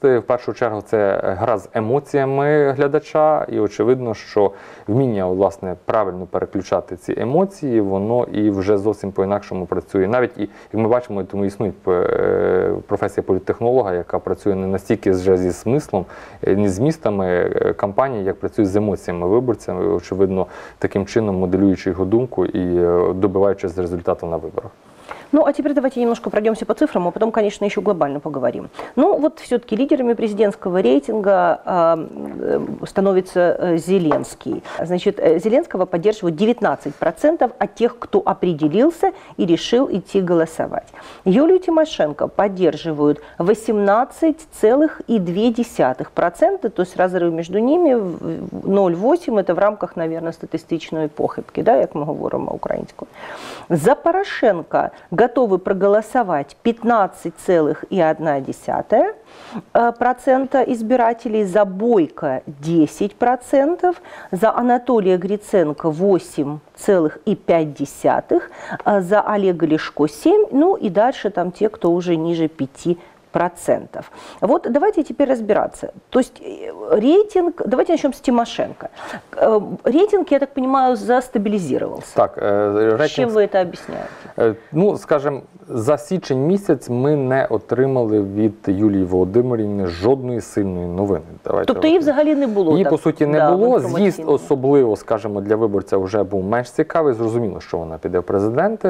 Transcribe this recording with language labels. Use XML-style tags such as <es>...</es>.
<uk>В першу чергу це гра з емоціями глядача, і очевидно, що вміння, власне, правильно переключати ці емоції, воно і вже зовсім по-інакшому працює. Навіть, як ми бачимо, тому існує професія політтехнолога, яка працює не настільки вже зі смислом, ні з містами кампанії, як працює з емоціями виборцями, очевидно, таким чином моделюючи його думку і добиваючись результату на виборах.</uk> <ru>Ну, а теперь давайте немножко пройдемся по цифрам, а потом, конечно, еще глобально поговорим. Ну, вот все-таки лидерами президентского рейтинга становится Зеленский. Значит, Зеленского поддерживают 19% от тех, кто определился и решил идти голосовать. Юлию Тимошенко поддерживают 18,2%, то есть разрыв между ними 0,8, это в рамках, наверное, статистической похибки, да, как мы говорим украинскую. За Порошенко готовы проголосовать 15,1% избирателей, за Бойко 10%, за Анатолия Гриценко 8,5%, за Олега Ляшко 7%, ну и дальше там те, кто уже ниже 5%. процентов. Вот давайте теперь разбираться. То есть рейтинг, давайте начнем с Тимошенко. Рейтинг, я так понимаю, застабилизировался. Так, рейтинг... Чем вы это объясняете?</ru> <uk>Ну, скажем, за січень місяць ми не отримали від Юлії Володимирівни жодної сильної новини. Давайте тобто її взагалі не було? Її, так, по суті, не, да, було. З'їзд особливо, скажімо, для виборця вже був менш цікавий. Зрозуміло, що вона піде в президенти.</uk>